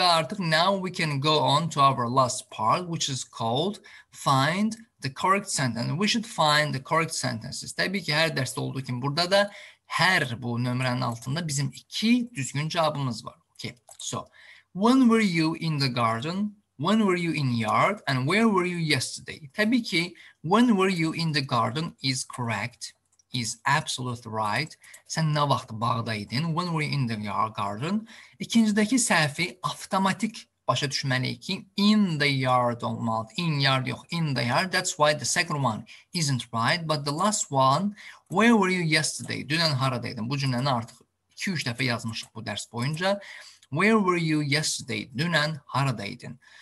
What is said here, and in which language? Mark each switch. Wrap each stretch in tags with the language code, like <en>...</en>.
<az>Və artıq</az> <en>now we can go on to our last part, which is called find the correct sentence. We should find the correct sentences.</en> <az>Təbii ki, hər dərsdə olduğu kimi burada da hər bu nömrənin altında bizim iki düzgün cavabımız var.</az> <en>Okay. So, when were you in the garden? When were you in yard? And where were you yesterday? Təbii ki, when were you in the garden is correct. Is absolutely right.</en> <az>Sən nə vaxt bağdaydın?</az> <en>When were you in the garden?</en> <az>İkincidəki səhvi avtomatik başa düşməliyik ki,</az> <en>in the yard</en> <az>olmalıdır.</az> <en>In yard</en> <az>yox,</az> <en>in the yard. That's why the second one isn't right. But the last one, where were you yesterday?</en> <az>Dünən haradaydın? Bu cümləni artıq 2-3 dəfə yazmışıq bu dərs boyunca.</az> <en>Where were you yesterday?</en> <az>Dünən haradaydın?</az>